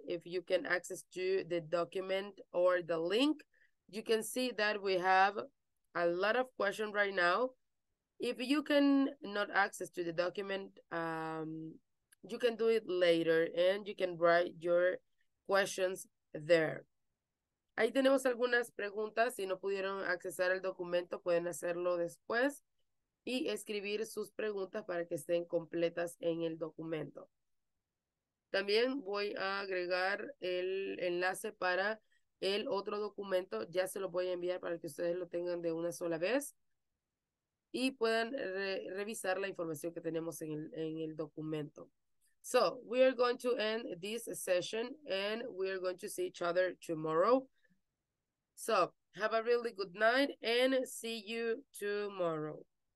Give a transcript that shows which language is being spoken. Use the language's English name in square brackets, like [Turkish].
[English] If you can access to the document or the link, you can see that we have a lot of questions right now. If you can not access to the document, you can do it later and you can write your questions there. [Spanish] Ahí tenemos algunas preguntas. Si no pudieron accesar el documento, pueden hacerlo después y escribir sus preguntas para que estén completas en el documento. También voy a agregar el enlace para el otro documento. Ya se lo voy a enviar para que ustedes lo tengan de una sola vez y puedan revisar la información que tenemos en el documento. [English] So, we are going to end this session and we are going to see each other tomorrow. So, have a really good night and see you tomorrow.